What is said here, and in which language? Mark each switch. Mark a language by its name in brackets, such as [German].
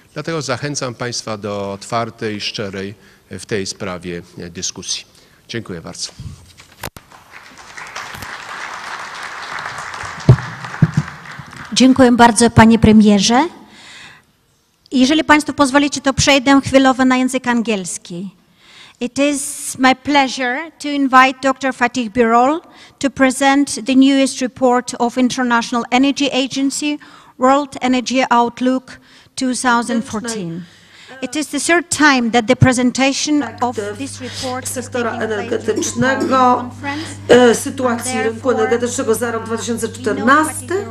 [Polish] Dlatego zachęcam Państwa do otwartej, szczerej w tej sprawie dyskusji. Dziękuję bardzo. Dziękuję bardzo, panie premierze. Jeżeli Państwo pozwolicie, to przejdę chwilowo na język angielski. [English] It is my pleasure to invite Dr. Fatih Birol to present the newest report of International Energy Agency, World Energy Outlook 2014. It is the third time that the presentation of this report is [Polish] sektora energetycznego, sytuacji rynku energetycznego za rok 2014.